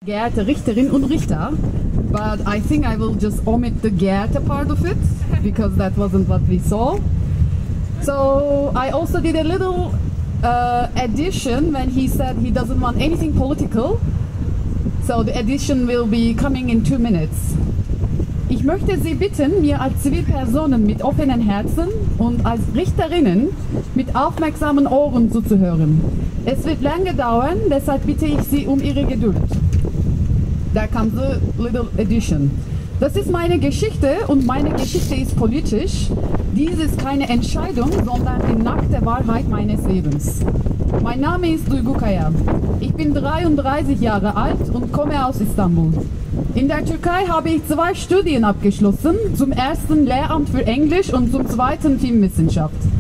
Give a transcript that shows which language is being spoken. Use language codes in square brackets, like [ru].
[de] Geehrte Richterin und Richter, [en] but I think I will just omit the Geehrte part of it, because that wasn't what we saw. So I also did a little addition when he said he doesn't want anything political. So the addition will be coming in 2 minutes. [de] Ich möchte Sie bitten, mir als Zivilpersonen mit offenen Herzen und als Richterinnen mit aufmerksamen Ohren zuzuhören. Es wird lange dauern, deshalb bitte ich Sie um Ihre Geduld. Da kam [en] the little addition. [de] Das ist meine Geschichte und meine Geschichte ist politisch. Dies ist keine Entscheidung, sondern die nackte Wahrheit meines Lebens. Mein Name ist Duygu Kaya. Ich bin 33 Jahre alt und komme aus Istanbul. In der Türkei habe ich 2 Studien abgeschlossen, zum ersten Lehramt für Englisch und zum zweiten Filmwissenschaft.